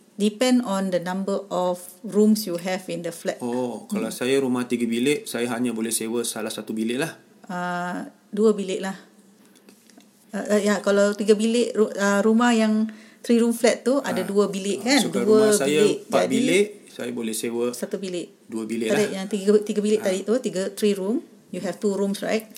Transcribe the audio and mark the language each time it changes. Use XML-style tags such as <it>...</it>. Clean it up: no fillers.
<en>Depend on the number of rooms you have in the flat.</en> <ms>Kalau saya rumah 3 bilik, saya hanya boleh sewa salah 1 bilik lah. 2 bilik lah. Kalau 3 bilik rumah yang</ms> <en>3-room flat</en> <ms>tu ada 2 bilik kan? So, dua rumah saya 4 bilik, saya boleh sewa 1 bilik. 2 bilik tadi lah. Yang 3 bilik tadi tu,</ms> <en>3-room, you have 2 rooms right?</en>